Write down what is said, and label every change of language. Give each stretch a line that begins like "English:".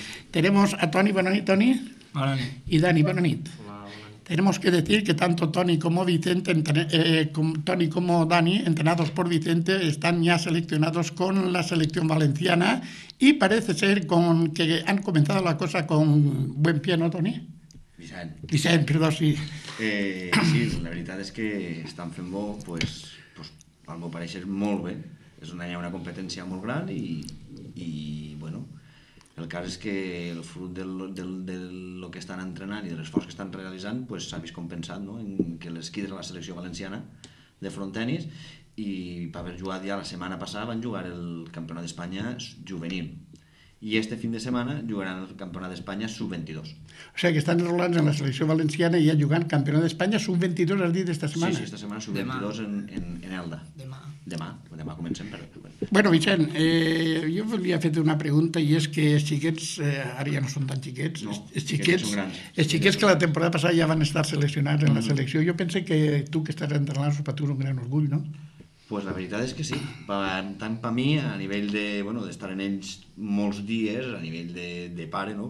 Spanish: Tenemos a Toni Bonanit, y Dani Bonanit. Tenemos que decir que tanto Toni como Vicente, Toni como Dani, entrenados por Vicente, están ya seleccionados con la selección valenciana y parece ser con que han comenzado la cosa con buen pie, ¿no, Toni?
Catalan: Vicent. Sí, la veritat és que estan fent bo, pues, al meu parecer, molt bé. És una competència molt gran i bueno, el cas és que el fruit del que estan entrenant i de l'esforç que estan realitzant pues, s'ha vist compensat, no? En que l'esquí de la selecció valenciana de frontenis i per haver jugat ja la setmana passada van jugar el campionat d'Espanya juvenil i este fin de setmana jugaran el campionat d'Espanya sub-22. O sigui que estan enrolats en la selecció valenciana i ja jugant campionat d'Espanya sub-22 al dia d'esta setmana. Sí, esta setmana sub-22 en Elda. Demà comencem, però... Bueno, Vicent, jo volia fer-te una pregunta i és que els xiquets, ara ja no són tan xiquets, els xiquets que la temporada passada ja van estar seleccionats en la selecció, jo pense que tu que estàs entrenant-los per tu és un gran orgull, no? Pues la veritat és que sí, tant per mi a nivell d'estar en ells molts dies, a nivell de pare, no?